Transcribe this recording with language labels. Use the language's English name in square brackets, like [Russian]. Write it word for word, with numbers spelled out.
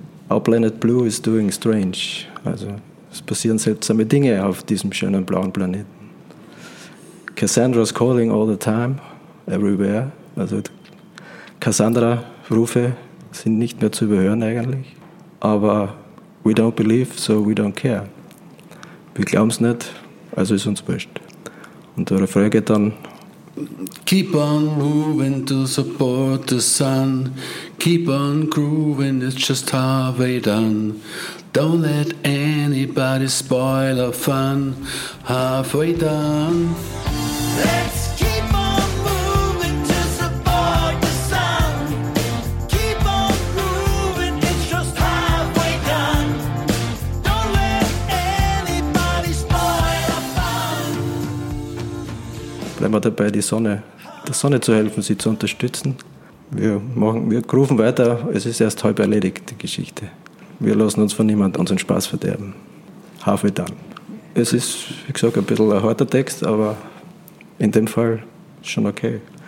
[English] Our planet blue is doing strange. [German] Also es passieren seltsame Dinge auf diesem schönen blauen Planeten. [English] Cassandra's calling all the time, everywhere. [German] Also Cassandra-Rufe sind nicht mehr zu überhören eigentlich. [English] Aber we don't believe, so we don't care. [German] Wir glauben es nicht, also ist uns wurscht. Und der Refrain geht dann: [English] Keep on moving to support the sun. Keep on grooving, it's just halfway done. Don't let anybody spoil our fun. Halfway done. Let's keep on moving to support the sun. Keep on grooving, it's just halfway done. Don't let anybody spoil our fun. [German] Bleiben wir dabei, die Sonne. Der Sonne zu helfen, sie zu unterstützen. Wir machen, wir rufen weiter, es ist erst halb erledigt, die Geschichte. Wir lassen uns von niemandem unseren Spaß verderben. [English] Halfway done. [German] Es ist, wie gesagt, ein bisschen ein harter Text, aber in dem Fall schon okay.